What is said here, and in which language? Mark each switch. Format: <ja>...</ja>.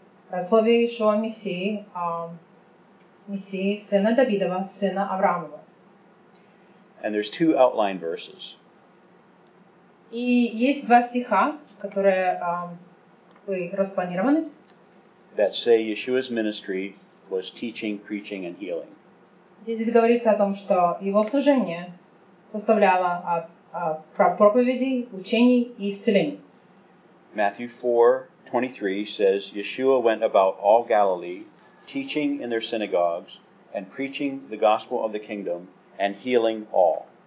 <ru>Родословие Иешуа Мессии, Мессии сына Давидова, сына Авраамова.</ru> <en>And there's two outline verses.</en> <ru>И есть два стиха, которые распланированы.</ru> <en>That say Yeshua's ministry was teaching, preaching, and healing.</en> <ru>Здесь говорится о том, что его служение составляло проповеди, учений и исцелений.</ru> <en>Matthew 4:23 says Yeshua went about all Galilee, teaching in their synagogues and preaching the gospel of the kingdom and healing all.</en>